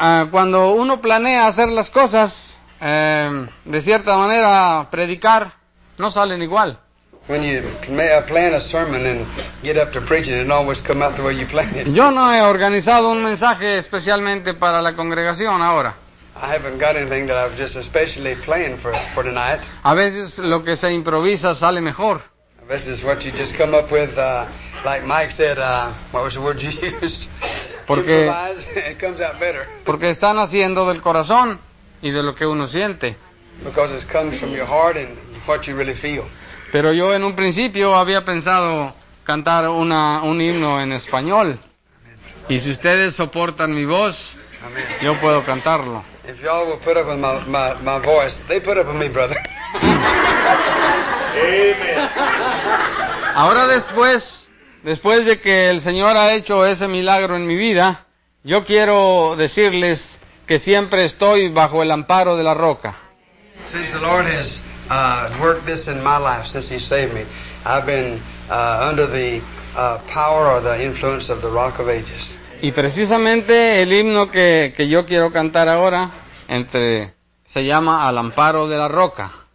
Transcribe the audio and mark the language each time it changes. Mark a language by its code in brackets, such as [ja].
[es] Cuando uno planea hacer las cosas, de cierta manera, predicar, no salen igual. [en] When you plan a sermon and get up to preach it, it always come out the way you plan it. [es] Yo no he organizado un mensaje especialmente para la congregación ahora. [en] I haven't got anything that I've just especially planned for tonight. [es] A veces lo que se improvisa sale mejor. [en] This is what you just come up with, like Mike said, what was the word you used? [es] Porque, [en] it comes out better. [es] Porque están haciendo del corazón y de lo que uno siente. [en] Because it comes from your heart and what you really feel. [es] Pero yo en un principio había pensado cantar un himno en español. Y si ustedes soportan mi voz, yo puedo cantarlo. [en] If y'all will put up with my voice, they put up with me, brother. Amen. [es] Ahora después de que el Señor ha hecho ese milagro en mi vida, yo quiero decirles que siempre estoy bajo el amparo de la roca. [en] Since the Lord has worked this in my life, since He saved me, I've been under the power or the influence of the Rock of Ages. [es] Y precisamente el himno que yo quiero cantar ahora se llama Al Amparo de la Roca.